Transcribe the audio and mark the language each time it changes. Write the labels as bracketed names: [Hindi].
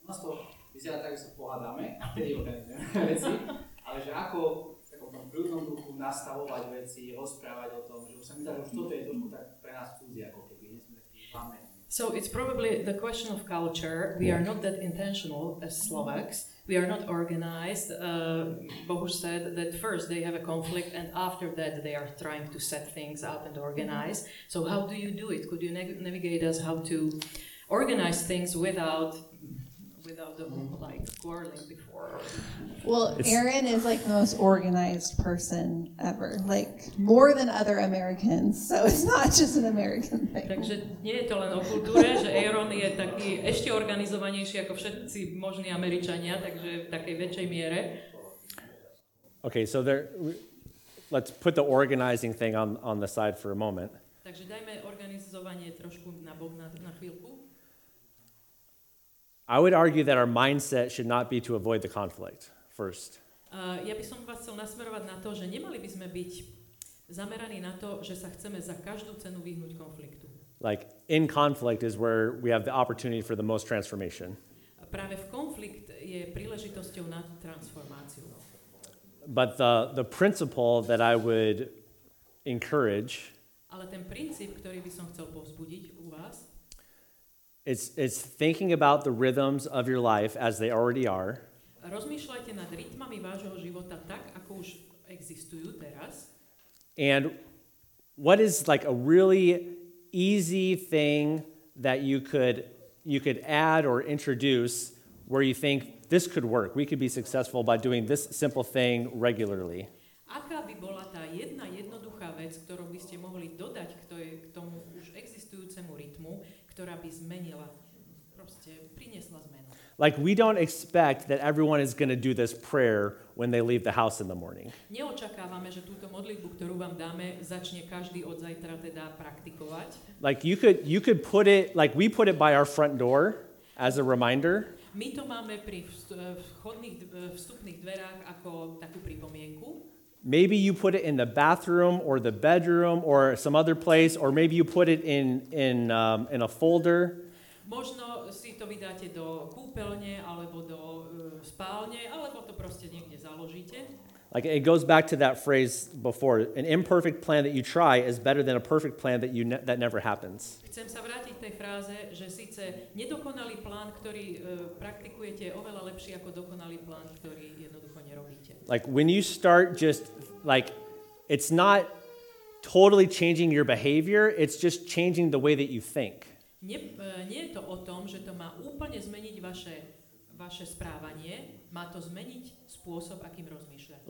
[Slovak] U nás to vyzerá tak, že sa pohádame, a vtedy organizujeme veci, ale že ako v takom prúdnom duchu nastavovať veci, rozprávať o tom, že už sa mi zdá, že toto je trošku tak pre nás cudzie, ako keby nie sme takí vlastní. [English] So it's probably the question of culture. We are not that intentional as Slovaks. We are not organized. Bohuš said that first they have a conflict and after that they are trying to set things up and organize. So how do you do it? Could you navigate us how to organize things without the whole, like, quarreling before? Well, Aaron is like the most organized person ever, like more than other Americans. So it's not just an American thing. [Slovak] Takže nie je to len o kultúre, že Aaron je taký ešte organizovanejší ako všetci možní Američania, takže v takej väčšej miere. [English] Okay, so let's put the organizing thing on the side for a moment. [Slovak] Takže dajme organizovanie trošku na bok na chvíľku. [English] I would argue that our mindset should not be to avoid the conflict first. [Slovak] Ja by som vás chcel nasmerovať na to, že nemali by sme byť zameraní na to, že sa chceme za každú cenu vyhnúť konfliktu. [English] Like in conflict is where we have the opportunity for the most transformation. [Slovak] Práve v konflikt je príležitosťou na transformáciu. [English] But the principle that I would encourage. [Slovak] Ale ten princíp, ktorý by som chcel povzbudiť u vás. [English] It's thinking about the rhythms of your life as they already are. [Slovak] Rozmýšľajte nad rytmami vášho života tak, ako už existujú teraz. [English] And what is like a really easy thing that you could add or introduce where you think this could work? We could be successful by doing this simple thing regularly. [Slovak] Aká by bola tá jedna jednoduchá vec, ktorú by ste mohli dodať k tomu už existujúcemu rytmu, ktorá by zmenila, proste priniesla zmenu? [English] Like we don't expect that everyone is going to do this prayer when they leave the house in the morning. [Slovak] Neočakávame, že túto modlitbu, ktorú vám dáme, začne každý od zajtra teda praktikovať. [English] Like you could put it, like we put it by our front door as a reminder. [Slovak] My to máme pri vchodných vstupných dverách ako takú pripomienku. [English] Maybe you put it in the bathroom or the bedroom or some other place, or maybe you put it in a folder. [Slovak] Možno si to vydáte do kúpeľne alebo do spálne, alebo to proste niekde založíte. [English] Like it goes back to that phrase before, an imperfect plan that you try is better than a perfect plan that that never happens. [Slovak] Chcem sa vrátiť tej fráze, že síce nedokonalý plán, ktorý praktikujete, je oveľa lepší ako dokonalý plán, ktorý jednoducho nerobíte. [English] Like when you start just like it's not totally changing your behavior, it's just changing the way that you think. [Slovak] Nie je to o tom, že to má úplne zmeniť vaše správanie, má to zmeniť spôsob, akým rozmýšľate.